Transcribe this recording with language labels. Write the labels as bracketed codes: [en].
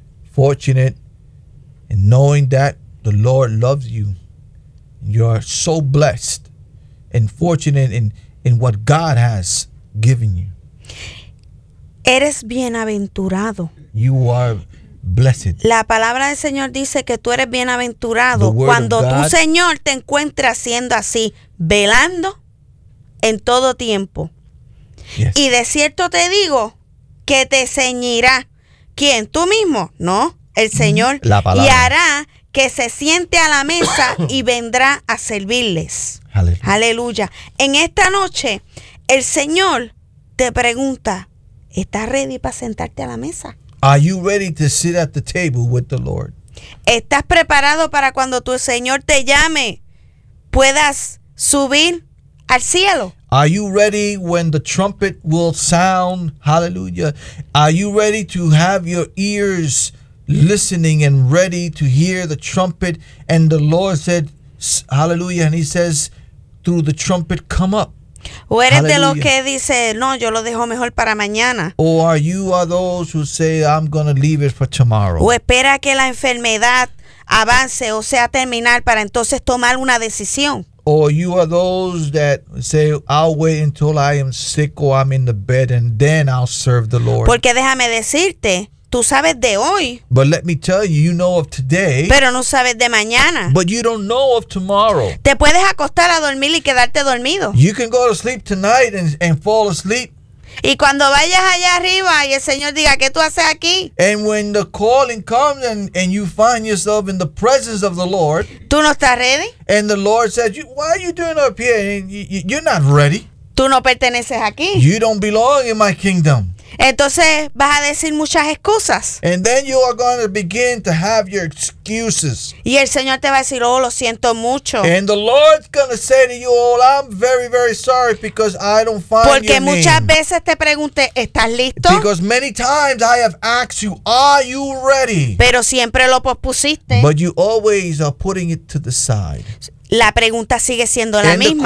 [en] Fortunate in knowing that the Lord loves you. You are so blessed and fortunate in what God has given you. [es] Eres bienaventurado. [en] You are blessed. [es] La palabra del Señor dice que tú eres bienaventurado cuando tu Señor te encuentra haciendo así, velando en todo tiempo. [en] Yes. [es] Y de cierto te digo que te ceñirá. ¿Quién? ¿Tú mismo? No, el Señor. La palabra. Y hará que se siente a la mesa y vendrá a servirles. Aleluya. Aleluya. En esta noche, el Señor te pregunta, ¿estás ready para sentarte a la mesa? [en] Are you ready to sit at the table with the Lord? [es] ¿Estás preparado para cuando tu Señor te llame, puedas subir al cielo? [en] Are you ready when the trumpet will sound? Hallelujah. Are you ready to have your ears listening and ready to hear the trumpet? And the Lord said, hallelujah. And he says, through the trumpet, come up. [es] O eres hallelujah. De los que dice, no, yo lo dejo mejor para mañana. [en] Or are you are those who say, I'm going to leave it for tomorrow. [es] O espera que la enfermedad avance, o sea, terminar, para entonces tomar una decisión. [en] Or you are those that say, I'll wait until I am sick or I'm in the bed and then I'll serve the Lord. [es] Porque déjame decirte, tú sabes de hoy. [en] But let me tell you, you know of today. [es] Pero no sabes de mañana. [en] But you don't know of tomorrow. [es] Te puedes acostar a dormir y quedarte dormido. [en] You can go to sleep tonight and fall asleep. [es] Y cuando vayas allá arriba y el Señor diga, ¿qué tú haces aquí? [en] And when the calling comes and you find yourself in the presence of the Lord. [es] ¿Tú no estás ready? [en] And the Lord says, why are you doing up here? You're not ready. [es] ¿Tú no perteneces aquí? [en] You don't belong in my kingdom. [es] Entonces vas a decir muchas excusas. [en] And then you are going to begin to have your excuses. [es] Y el Señor te va a decir, oh, lo siento mucho. [en] And the Lord's going to say to you, oh, I'm very, very sorry because I don't find [es] Porque [en] your name. [es] Porque muchas veces te pregunté, ¿estás listo? [en] Because many times I have asked you, are you ready? [es] Pero siempre lo pospusiste. [en] But you always are putting it to the side. [es] La pregunta sigue siendo la misma.